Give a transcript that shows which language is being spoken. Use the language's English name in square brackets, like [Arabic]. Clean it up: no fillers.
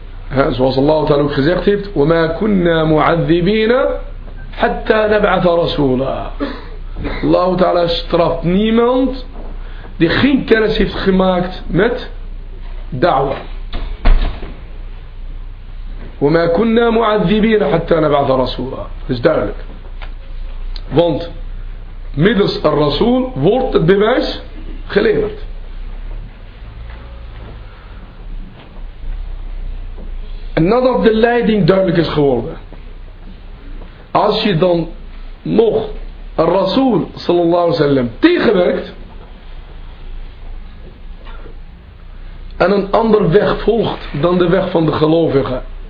[Dutch] Ja, zoals Allah Ta'ala ook gezegd heeft, [Arabic] وَمَا كُنَّا مُعَذِّبِينَ حَتَّى نَبْعَثَ رَسُولًا. [Dutch] Allah Ta'ala straft niemand die geen kennis heeft gemaakt met da'wa. [Arabic] وما كنا معذبين حتى نبعث رسولا. [Dutch] Is duidelijk. Want middels een rasool wordt het bewijs geleverd. En nadat de leiding duidelijk is geworden, als je dan nog een rasool sallallahu alaihi wasallam tegenwerkt en een ander weg volgt dan de weg van de gelovigen.